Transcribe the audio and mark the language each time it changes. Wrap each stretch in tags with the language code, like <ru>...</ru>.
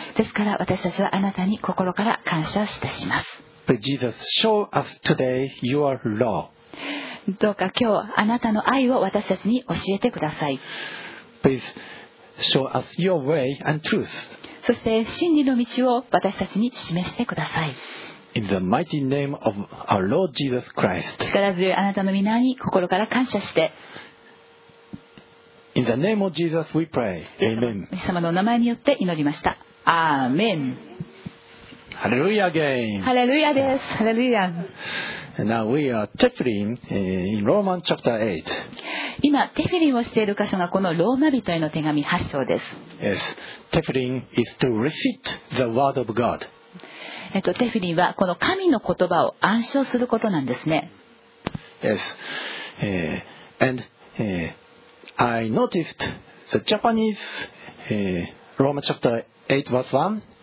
<ja>ですから私たちはあなたに心から感謝いたします。</ja> <en>Please, Jesus, show us today your law.</en> <ja>どうか今日あなたの愛を私たちに教えてください。</ja> <en>Please show us your way and truth.</en> <ja>そして真理の道を私たちに示してください。</ja> <en>In the mighty name of our Lord Jesus Christ.</en> <ja>力強いあなたの御名に心から感謝して、</ja> <en>In the name of Jesus we pray. Amen.</en> <ja>神様の名前によって祈りました。アーメン。</ja> <en>ハレルヤ again.</en> <ja>ハレルヤです。ハレルヤ。</ja> <en>Now we are Tefillin in Romans chapter 8.</en> <ja>今テフィリンをしている箇所がこのローマ人への手紙8章です。</ja> <en>Yes, Tefillin is to recite the word of God.</en> <ja>テフィリンはこの神の言葉を暗唱することなんですね。</ja> <en>Yes, and I noticed the Japanese Romans chapter 8 verse 1.</en>